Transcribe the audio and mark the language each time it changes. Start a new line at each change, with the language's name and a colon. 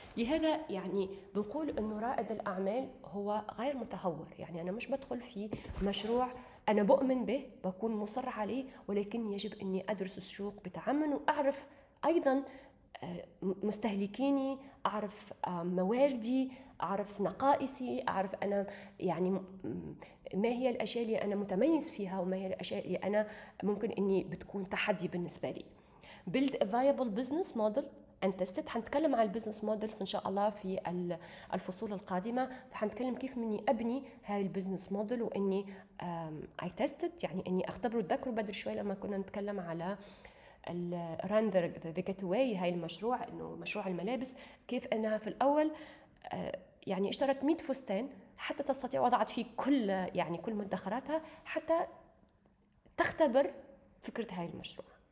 Arabic: لهذا يعني بنقول انه رائد الاعمال هو غير متهور، يعني انا مش بدخل في مشروع انا بؤمن به بكون مصر عليه، ولكن يجب اني ادرس السوق بتعمق واعرف ايضا مستهلكيني، أعرف مواردي، أعرف نقائصي، أعرف أنا يعني ما هي الأشياء اللي أنا متميز فيها، وما هي الأشياء اللي أنا ممكن أني بتكون تحدي بالنسبة لي.
English: Build a viable business model and test it.
Arabic: حنتكلم عن
English: business models
Arabic: إن شاء الله في الفصول القادمة، فحنتكلم كيف مني أبني هاي
English: business model
Arabic: وأني
English: I test it،
Arabic: يعني أني أختبره. تذكروا بدر شوي لما كنا نتكلم على الراندر ذا جيتواي، هاي المشروع، انه مشروع الملابس، كيف انها في الاول يعني اشترت 100 فستان حتى تستطيع، وضعت فيه كل يعني كل مدخراتها حتى تختبر فكره هاي المشروع.